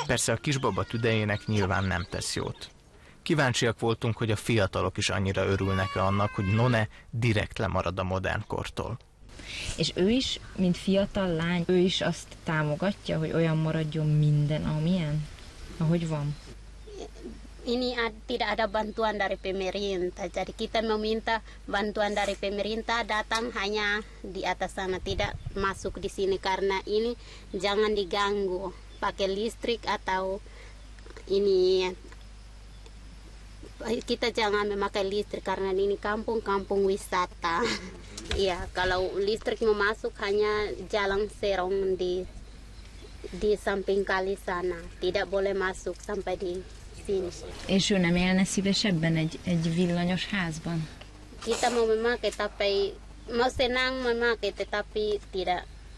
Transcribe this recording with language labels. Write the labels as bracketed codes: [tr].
[hu] Persze a kisbaba tüdejének nyilván nem tesz jót. Kíváncsiak voltunk, hogy a fiatalok is annyira örülnek-e annak, hogy Nonne direkt lemarad a modern kortól. És ő is, mint fiatal lány, ő is azt támogatja, hogy olyan maradjon minden, amilyen, ahogy van. [id] Ini tidak ada bantuan dari pemerintah, jadi kita meminta bantuan dari pemerintah datang hanya di atas sana, tidak masuk di sini karena ini jangan diganggu pakai listrik atau ini kita jangan memakai listrik karena ini kampung-kampung wisata. Iya, kalau listrik mau masuk hanya jalan serong di samping kali sana, tidak boleh masuk sampai di. [hu] És ő nem élne szívesebben egy villanyos házban? [id] Kita mau memakai, tapi mau senang memakai, tetapi tidak.